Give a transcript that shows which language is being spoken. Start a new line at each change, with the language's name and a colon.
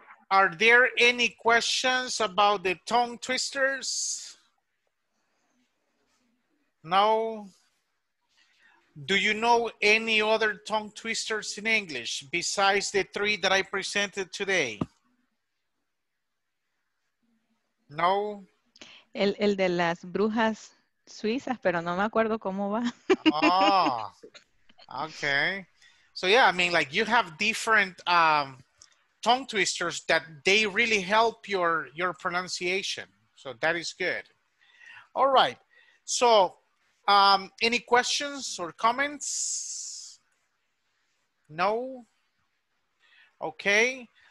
English: Are there any questions about the tongue twisters? No. Do you know any other tongue twisters in English besides the three that I presented today? No.
Spanish: El de las brujas suizas, pero no me acuerdo cómo va.
English: Oh, okay. So yeah, I mean, like you have different tongue twisters that they really help your pronunciation. So that is good. All right. So any questions or comments? No? Okay.